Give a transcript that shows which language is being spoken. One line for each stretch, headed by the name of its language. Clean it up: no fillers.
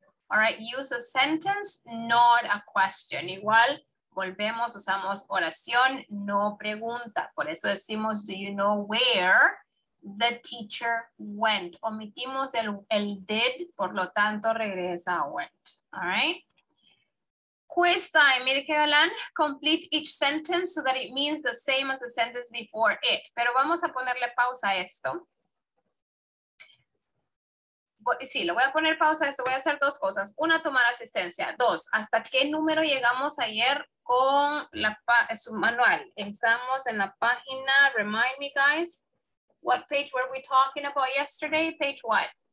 English: All right, use a sentence, not a question.
Spanish: Igual, volvemos, usamos oración, no pregunta. Por eso decimos,
English: do you know where the teacher went?
Spanish: Omitimos el did, por lo tanto regresa a went.
English: All right. Quiz time.
Spanish: Mire que galán,
English: complete each sentence so that it means the same as the sentence before it.
Spanish: Pero vamos a ponerle pausa a esto. Sí, le voy a poner pausa a esto. Voy a hacer dos cosas. Una, tomar asistencia. Dos, ¿hasta qué número llegamos ayer con su manual? Estamos en la página,
English: remind me guys, what page were we talking about yesterday? Page what?